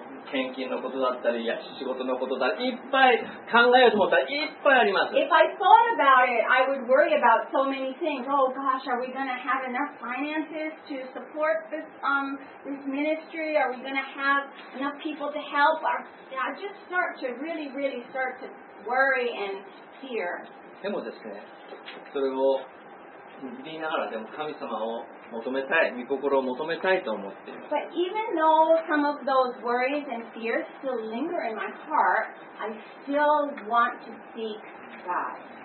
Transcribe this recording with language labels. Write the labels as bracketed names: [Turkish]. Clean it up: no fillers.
[Japanese] 献金のことだったり、仕事のことだったり、いっぱい考えようと思ったらいっぱいあります。 [English] If I thought about it, I would worry about so many things. Oh gosh, are we going to have enough finances to support this, this ministry? Are we going to have enough people to help? I just start to really, really start to worry and fear. [Japanese] でもですね、それを言いながらでも神様を求めたい、御心を求めたいと思っています。 [English] But even though some of those worries and fears still linger in my heart, I still want to seek God.